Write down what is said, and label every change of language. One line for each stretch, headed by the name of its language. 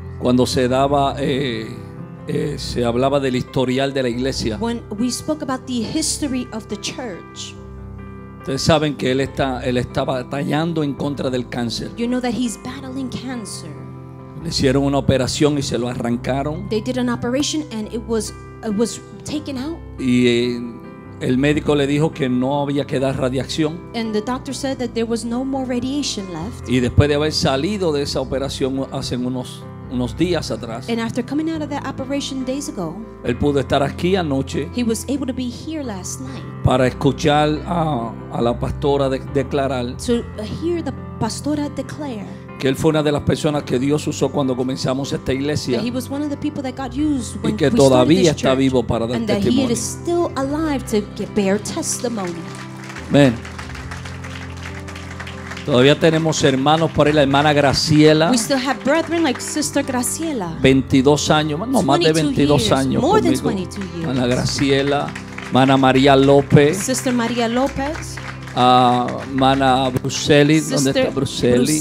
Spanish: Cuando se daba se hablaba del historial de la iglesia.
English: When we spoke about the history of the church.
Spanish: Ustedes saben que él está batallando en contra del cáncer.
English: You know that he's battling cancer.
Spanish: Le hicieron una operación y se lo arrancaron.
English: They did an operation and it was taken out.
Spanish: Y el médico le dijo que no había que dar radiación.
English: And the doctor said that there was no more radiation left.
Spanish: Y después de haber salido de esa operación hace unos unos días atrás.
English: And after coming out of that operation days ago,
Spanish: él pudo estar aquí anoche.
English: He was able to be here last night.
Spanish: Para escuchar a la pastora declarar.
English: To hear the pastora declare.
Spanish: Que él fue una de las personas que Dios usó cuando comenzamos esta iglesia.
English: That he was one of the people that God used when we started this church.
Spanish: Y que todavía está vivo para dar testimonio.
English: And that he is still alive to bear testimony. Amen.
Spanish: Todavía tenemos hermanos por ahí, la hermana Graciela.
English: We still have brethren like Sister Graciela.
Spanish: 22 años, no, más de 22 años
English: More than 22 years.
Spanish: Hermana Graciela, hermana María López.
English: Sister María López.
Spanish: Hermana Bruselli, ¿dónde está Bruselli?